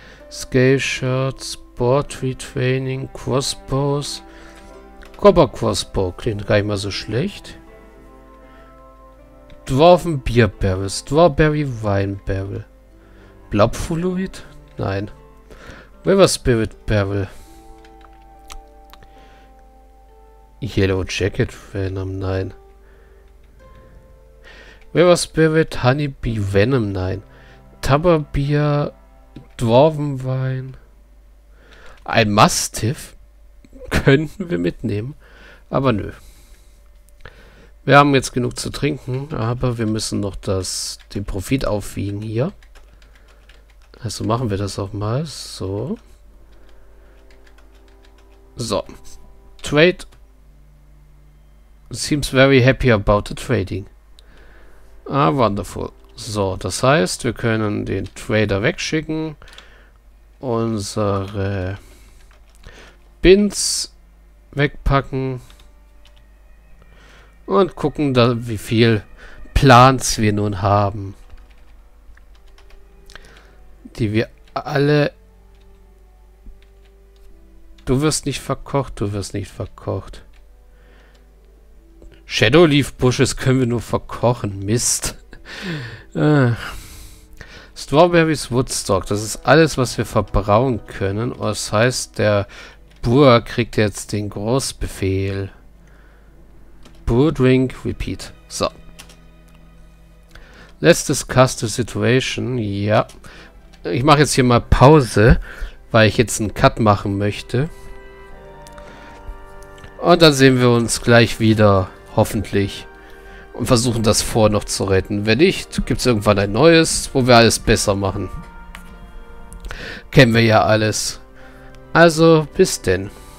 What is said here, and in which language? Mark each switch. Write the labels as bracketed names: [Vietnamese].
[English] Scale Shirts, Sportree Training, Crossbows. Copper Crossbow klingt gar nicht mal so schlecht. Dwarven Beer Barrels, Strawberry Wine Barrel. Blobfluid? [German] Nein. [English] River Spirit Barrel. Yellow Jacket Venom, [German] nein. [English] River Spirit Honey Bee Venom, [German] nein. [English] Tabber Beer, Dwarven Wine. [German] Ein Mastiff könnten wir mitnehmen, aber nö. Wir haben jetzt genug zu trinken, aber wir müssen noch den Profit aufwiegen hier. Also machen wir das auch mal so. [English] So, Trade seems very happy about the trading. Ah, wonderful. [German] So, das heißt, wir können den Trader wegschicken. Unsere Bins wegpacken. Und gucken, da, wie viel Plants wir nun haben. Die wir alle... Du wirst nicht verkocht, du wirst nicht verkocht. Shadowleaf Bushes können wir nur verkochen. Mist. Strawberries Woodstock. Das ist alles, was wir verbrauchen können. Das heißt, der Boer kriegt jetzt den Großbefehl. [English] Boer Drink Repeat. So. Let's discuss the situation. [German] Ja. Ich mache jetzt hier mal Pause, weil ich jetzt einen Cut machen möchte. Und dann sehen wir uns gleich wieder, hoffentlich. Und versuchen das vor noch zu retten. Wenn nicht, gibt es irgendwann ein neues, wo wir alles besser machen. Kennen wir ja alles. Also, bis denn.